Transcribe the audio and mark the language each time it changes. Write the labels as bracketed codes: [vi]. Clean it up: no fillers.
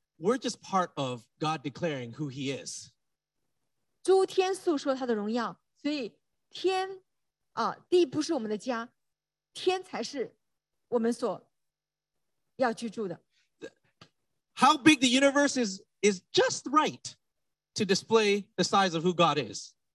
[en] We're just part of God declaring who he is. [zh] 诸天诉说他的荣耀, 所以天, 啊, 地不是我们的家, 天才是我们所要居住的。 [en] How big the universe is just right to display the size of who God is.